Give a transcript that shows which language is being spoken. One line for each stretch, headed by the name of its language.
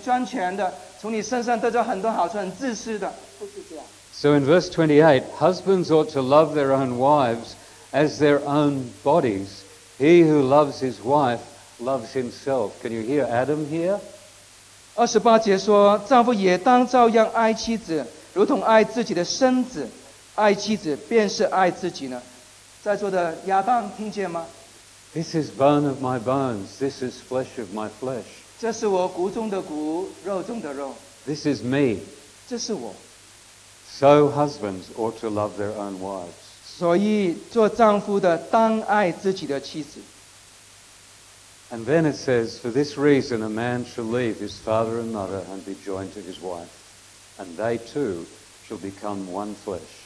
Chinese: 所以这样看来，这一种的关系呢，不是有一个男人常常管辖你，很专制的，很专权的，从你身上得到很多好处，很自私的。
English: So in verse 28, husbands ought to love their own wives as their own bodies. He who loves his wife loves himself. Can you hear Adam here?
Chinese: 28节说，丈夫也当照样爱妻子，如同爱自己的身子，爱妻子便是爱自己呢。在座的亚当听见吗？
English: This is bone of my bones, this is flesh of my flesh.
Chinese: 这是我骨中的骨，肉中的肉。This
English: is me.
Chinese: 这是我。So
English: husbands ought to love their own wives.
Chinese: 所以做丈夫的当爱自己的妻子。
English: And then it says, for this reason, a man shall leave his father and mother and be joined to his wife, and they too shall become one flesh.